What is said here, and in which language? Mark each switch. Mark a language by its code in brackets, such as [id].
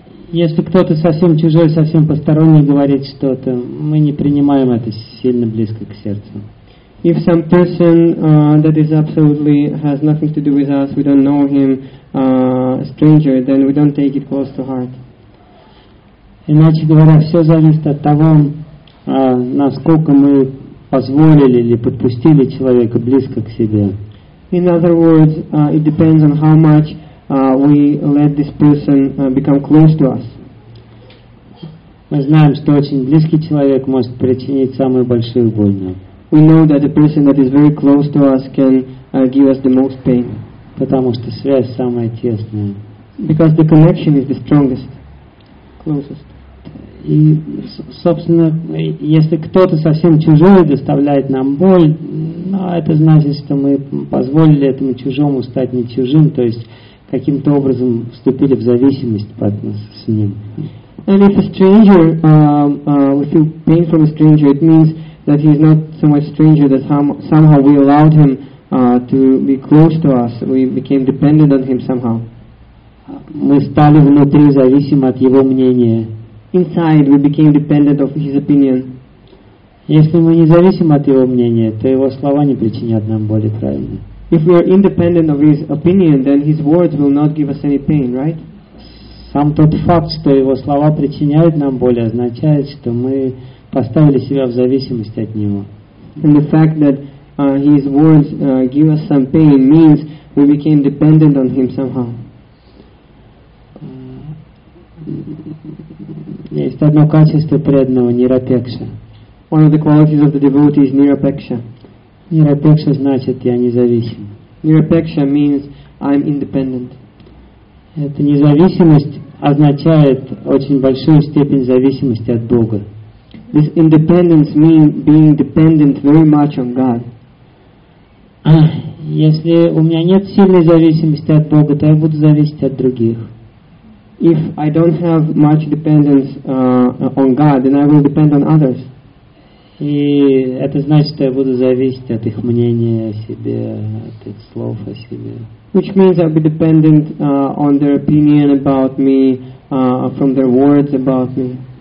[ru] Если кто-то совсем чужой, совсем посторонний говорит что-то, мы не принимаем это сильно близко к сердцу. [en] If some person that is absolutely has nothing to do with us, we don't know him, a stranger, then we don't take it close to heart. [ru] Иначе говоря, все зависит от того, насколько мы позволили или подпустили человека близко к себе. [en] In other words, it depends on how much we let this person become close to us. [ru] Мы знаем, что очень близкий человек может причинить самую большую боль нам. [en] We know that the person that is very close to us can give us the most pain. [ru] Потому что связь самая тесная. [en] Because the connection is the strongest, closest. [ru] И, собственно, если кто-то совсем чужой доставляет нам боль, это значит, что мы позволили этому чужому стать не чужим, то есть каким-то образом вступили в зависимость под нас с ним. [en] And if a stranger, we feel pain from a stranger, it means that he is not so much stranger that somehow we allowed him to be close to us. We became dependent on him somehow. [ru] Мы стали внутри зависимы от его мнения. [en] Inside we became dependent of his opinion. [ru] Если мы не зависим от его мнения, то его слова не причинят нам боли, правильно? [en] If we are independent of his opinion, then his words will not give us any pain, right? [ru] Сам тот факт, что его слова причиняют нам боль, означает, что мы поставили себя в зависимость от него. [en] And the fact that his words give us some pain means we became dependent on him somehow. [ru] Есть одно качество преданного нирапекша. [en] One of the qualities of the devotee is nirapeksha. [ru] Nirapeksha значит я независим. [en] Nirapeksha means I'm independent. [ru] Эта независимость означает очень большую степень зависимости от Бога. [en] This independence means being dependent very much on God. [ru] Если у меня нет сильной зависимости от Бога, то я буду зависеть от других. [en] If I don't have much dependence on God, then I will depend on others. [ru] И это значит, что я буду зависеть от их мнения о себе, от их слов о себе. [en] Which means I'll be dependent on their opinion about me, from their words about me.